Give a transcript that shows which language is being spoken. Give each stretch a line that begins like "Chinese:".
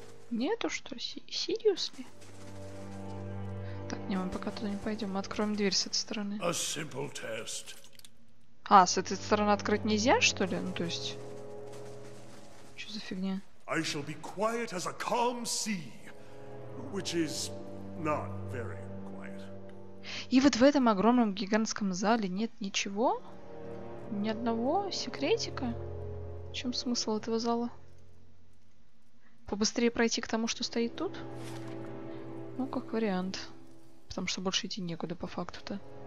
Russian: Нету, что?
English: Seriously?
Russian: Так, не, мы пока туда не пойдем. Мы откроем дверь с этой стороны.
English: A simple test.
Russian: А, с этой стороны открыть нельзя, что ли? Ну, то есть... Что за фигня?
English: I shall be quiet as a calm sea, which is not very quiet.
Russian: И вот в этом огромном гигантском зале нет ничего? Ни одного секретика? В чем смысл этого зала? Побыстрее пройти к тому, что стоит тут? Ну, как вариант. Потому что больше идти некуда по факту-то.